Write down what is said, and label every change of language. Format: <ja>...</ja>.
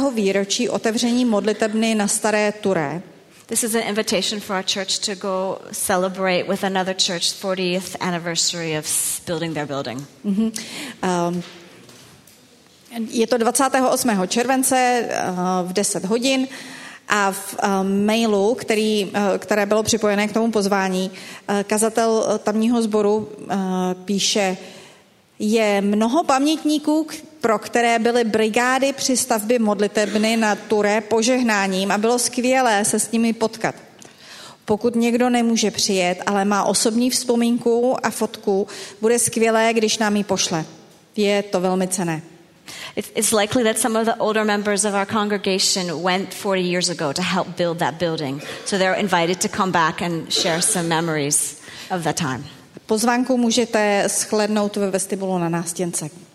<cs>výročí otevření modlitebny na Staré Turé.</cs> <en>This is an invitation for our church to go celebrate with another church 40th anniversary of building their building. Mm-hmm.</en> <cs>Je to 28. července v 10 hodin a v mailu, které bylo připojené k tomu pozvání, kazatel tamního sboru píše: je mnoho pamětníků, pro které byly brigády při stavbě modlitebny na Turé požehnáním a bylo skvělé se s nimi potkat. Pokud někdo nemůže přijet, ale má osobní vzpomínku a fotku, bude skvělé, když nám ji pošle. Je to velmi cenné.</cs> <en>It's likely that some of the older members of our congregation went 40 years ago to help build that building. So they're invited to come back and share some memories of that time.</en> <cs>Pozvánku můžete shlédnout ve vestibulu na nástěnce.</cs>